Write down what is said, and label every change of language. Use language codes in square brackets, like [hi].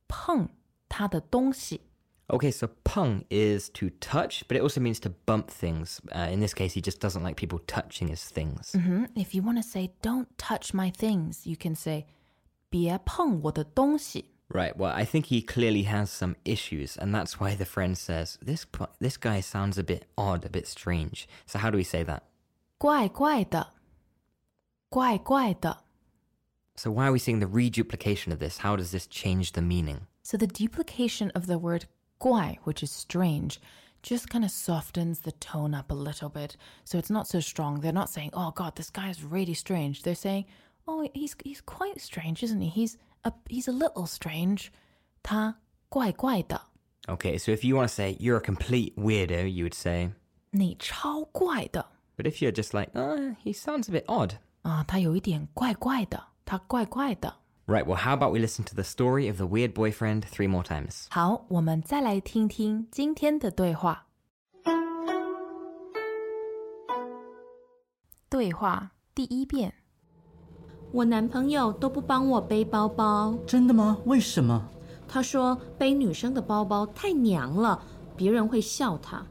[zh] 他不喜欢我碰他的东西. [en] Okay, so 碰 is to touch, but it also means to bump things. In this case, he just doesn't like people touching his things. Mm-hmm. If you want to say, don't touch my things, you can say, [zh] 别碰我的东西. [en] Right, well, I think he clearly has some issues, and that's why the friend says, this guy sounds a bit odd, a bit strange. So how do we say that? [zh] 怪怪的.怪怪的. [en] So why are we seeing the reduplication of this? How does this change the meaning? So the duplication of the word 怪, which is strange, just kind of softens the tone up a little bit. So it's not so strong. They're not saying, oh God, this guy is really strange. They're saying, oh, he's quite strange, isn't he? He's a little strange. [zh] 他怪怪的. [en] Okay, so if you want to say you're a complete weirdo, you would say [zh] 你超怪的. [en] But if you're just like, oh, he sounds a bit odd. [zh] 他有一点怪怪的.他怪怪的. [en] Right, well, how about we listen to the story of the weird boyfriend 3 more times? [zh] 好, 我们再来听听今天的对话。对话第一遍。我男朋友都不帮我背包包。真的吗?为什么? 他说背女生的包包太娘了, 别人会笑他。